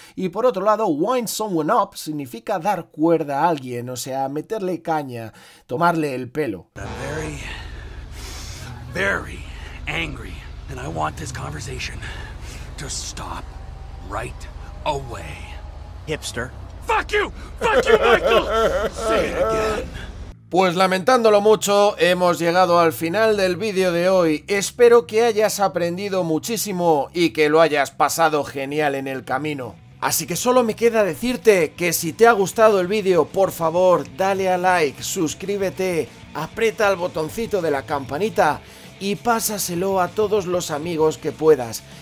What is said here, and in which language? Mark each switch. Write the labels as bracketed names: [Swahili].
[Spanish] Y por otro lado, [English] wind someone up [Spanish] significa dar cuerda a alguien, o sea, meterle caña, tomarle el pelo. [English] I'm very, very angry, and I want this conversation to stop right away. Hipster. Fuck you, Michael. Say it again. [Spanish] Pues lamentándolo mucho, hemos llegado al final del vídeo de hoy. Espero que hayas aprendido muchísimo y que lo hayas pasado genial en el camino. Así que solo me queda decirte que si te ha gustado el vídeo, por favor, dale a like, suscríbete, aprieta el botoncito de la campanita y pásaselo a todos los amigos que puedas.